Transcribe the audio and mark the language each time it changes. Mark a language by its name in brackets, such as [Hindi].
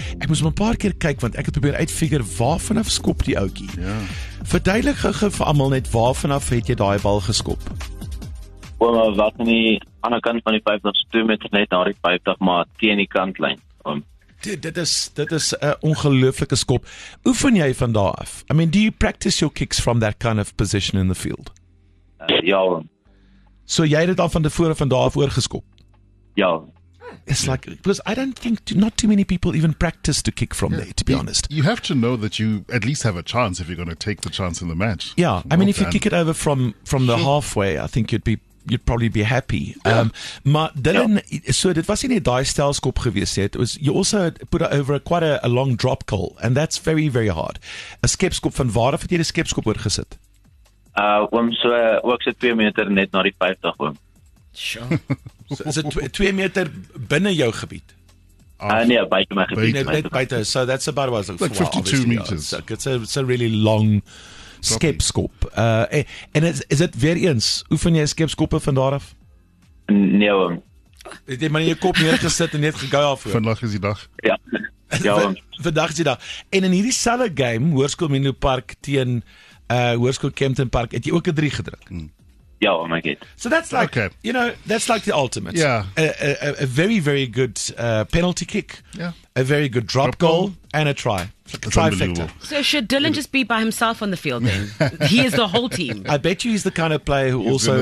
[Afrikaans] Ek moes hom 'n paar keer kyk want ek het probeer uitfigure waar vanaf skop die ouetjie. Ja. Verduidelig gou vir almal net waar vanaf het jy daai bal geskop? Oor wat aan die ander kant van die 50 meter net na die 50 maar teen die kantlyn. Dit is 'n ongelooflike skop. Oefen jy van daar af? [English] I mean, do you practice your kicks from that kind of position in the field? [Afrikaans] Ja. So jy het dit al van tevore van daar af oor geskop? Ja. [English] It's like, because I don't think not too many people even practice to kick from there, to be honest. You have to know that you at least have a chance if you're going to take the chance in the match. Yeah, I mean, if you kick it over from the halfway, I think you'd probably be happy. [Afrikaans] Maar Dylan, so dit was nie net daai stelskop gewees het, [English] you also put it over quite a long drop goal, and that's very, very hard. [Afrikaans] A skepskop, van waar het jy die skepskop oor gesit? Ook so 2 meter net na die 50, oom. [English] Sure. So is it 2 meter [Afrikaans] binne jou gebied? Nee, buiten my gebied. [English] Buiten, so that's about what I was like. Like 52 meters. It's a really long skepskop. And is it [Afrikaans] weer eens, oefen jy skepskoppe van daar af? Nee, oom. Het jy maar in jou kop neergesit en net gegaai af? Vandag is die dag. Ja, oom. Vandag is die dag. En in hierdie selle game, Hoërskool Menlo Park teen Hoërskool Kempton Park, het jy ook 'n 3 gedruk? [English] Yeah, so that's like, you know, that's like the ultimate. Yeah. A very, very good penalty kick. Yeah. A very good drop goal and a try. That's trifecta. So should Dylan just be by himself on the field then? He is the whole team. I bet you he's the kind of player who he's also